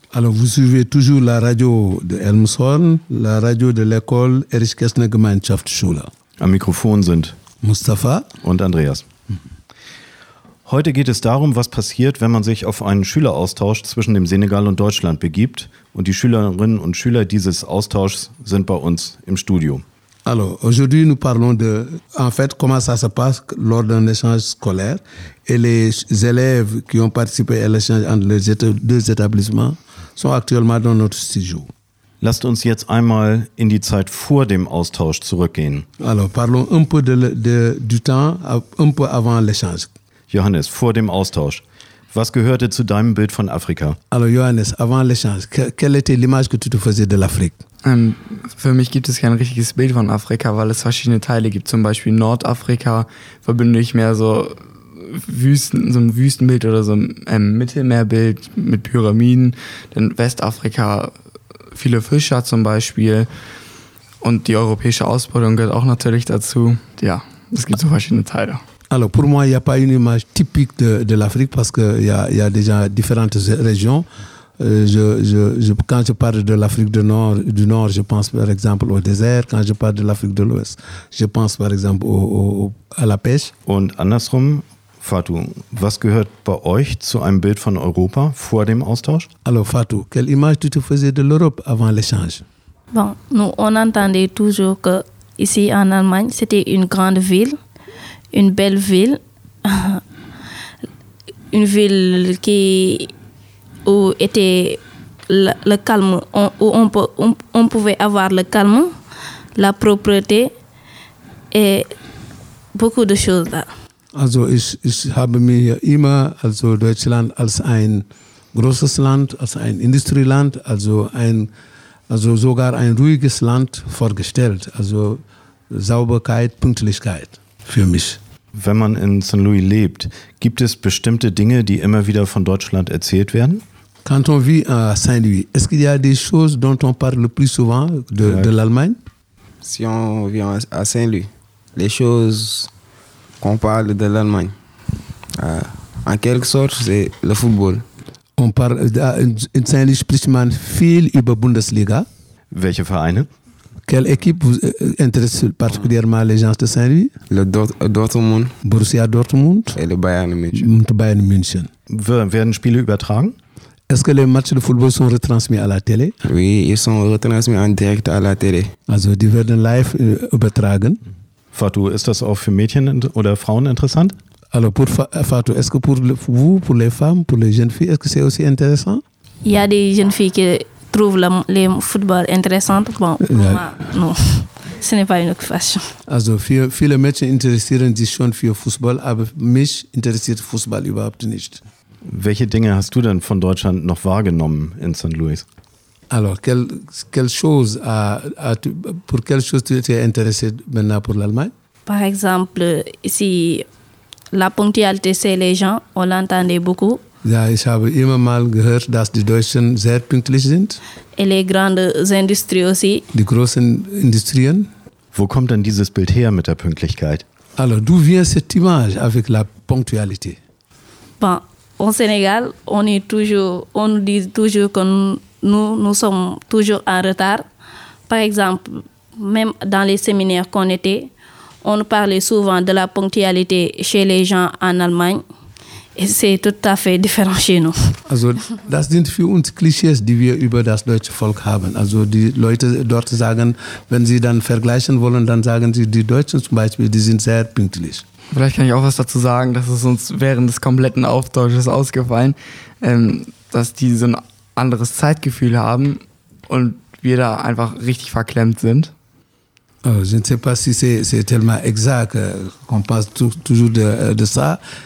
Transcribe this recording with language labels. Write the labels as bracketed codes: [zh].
[fr] Alors, vous suivez toujours la radio de Elmshorn, la radio de l'école Erich-Kästner-Gemeinschaftsschule. [de] Am Mikrofon sind Mustafa und Andreas. Heute geht es darum, was passiert, wenn man sich auf einen Schüleraustausch zwischen dem Senegal und Deutschland begibt. Und die Schülerinnen und Schüler dieses Austauschs sind bei uns im Studio. [fr] Alors, aujourd'hui nous parlons de, en fait, comment ça se passe lors d'un échange scolaire et les élèves qui ont participé à l'échange entre les deux établissements sont actuellement dans notre studio. [de] Lasst uns jetzt einmal in die Zeit vor dem Austausch zurückgehen. [fr] Alors, parlons un peu du temps, un peu avant l'échange. [de] Johannes, vor dem Austausch, was gehörte zu deinem Bild von Afrika? [fr] Hallo Johannes, avant l'échange, quelle était l'image que tu te faisais de l'Afrique? [de] Für mich gibt es kein richtiges Bild von Afrika, weil es verschiedene Teile gibt. Zum Beispiel Nordafrika verbinde ich mehr so Wüsten, so ein Wüstenbild oder so ein Mittelmeerbild mit Pyramiden. Dann Westafrika, viele Fischer zum Beispiel. Und die europäische Ausbeutung gehört auch natürlich dazu. Ja, es gibt so verschiedene Teile. [fr] Alors pour moi, il n'y a pas une image typique de l'Afrique parce que il y a déjà différentes régions. Quand je parle de l'Afrique du Nord, je pense par exemple au désert. Quand je parle de l'Afrique de l'Ouest, je pense par exemple à la pêche. [de] Und andersrum, Fatou, was gehört bei euch zu einem Bild von Europa vor dem Austausch? [fr] Alors Fatou, quelle image tu te faisais de l'Europe avant l'échange? Bon, nous on entendait toujours que ici en Allemagne, c'était une grande ville. Une belle ville, une ville qui où était le calme, où on pouvait avoir le calme, la propreté et beaucoup de choses là. [de] Also ich habe mir immer also Deutschland als ein großes Land, als ein Industrieland, also sogar ein ruhiges Land vorgestellt. Also Sauberkeit, Pünktlichkeit für mich. Wenn man in St. Louis lebt, gibt es bestimmte Dinge, die immer wieder von Deutschland erzählt werden? [fr] Quand on vit à Saint-Louis, est-ce qu'il y a des choses dont on parle le plus souvent de l'Allemagne? Si on vit à Saint-Louis, les choses qu'on parle de l'Allemagne, en quelque sorte, c'est le football. On parle [de] in Saint-Louis spricht man viel über Bundesliga. Welche Vereine? [fr] Quelle équipe vous intéresse particulièrement les gens de Saint-Louis? Le Dortmund. Borussia Dortmund. Et le Bayern München. [de] Und Bayern München. Werden Spiele übertragen? [fr] Est-ce que les matchs de football sont retransmis à la télé? Oui, ils sont retransmis en direct à la télé. [de] Also, die werden live übertragen. Fatou, ist das auch für Mädchen oder Frauen interessant? [fr] Alors, pour Fatou, est-ce que pour les femmes, pour les jeunes filles, est-ce que c'est aussi intéressant? Il y a des jeunes filles qui trouve le football intéressant. Bon, yeah. Non, ce n'est pas une occupation. [de] Also, viele Menschen interessieren sich schon für Fußball, aber mich interessiert Fußball überhaupt nicht. Welche Dinge hast du denn von Deutschland noch wahrgenommen in St. Louis? [fr] Alors, pour quelle chose tu étais intéressé maintenant pour l'Allemagne? Par exemple, ici, la ponctualité, c'est les gens, on l'entendait beaucoup. [de] Ja, ich habe immer mal gehört, dass die Deutschen sehr pünktlich sind. [fr] Et les grandes industries aussi. [de] Die großen Industrien. Wo kommt denn dieses Bild her mit der Pünktlichkeit? [fr] Alors, d'où vient cette image avec la ponctualité? Bon, au Sénégal, on dit toujours que nous sommes toujours en retard. Par exemple, même dans les séminaires qu'on était, on parlait souvent de la ponctualité chez les gens en Allemagne. C'est tout à fait différent chez nous. [de] Also, das sind für uns Klischees, die wir über das deutsche Volk haben. Also, die Leute dort sagen, wenn sie dann vergleichen wollen, dann sagen sie, die Deutschen zum Beispiel, die sind sehr pünktlich. Vielleicht kann ich auch was dazu sagen, dass es uns während des kompletten Austausches ausgefallen, dass die so ein anderes Zeitgefühl haben und wir da einfach richtig verklemmt sind. [fr] Also, je ne sais pas si c'est tellement exact, qu'on passe toujours de ça.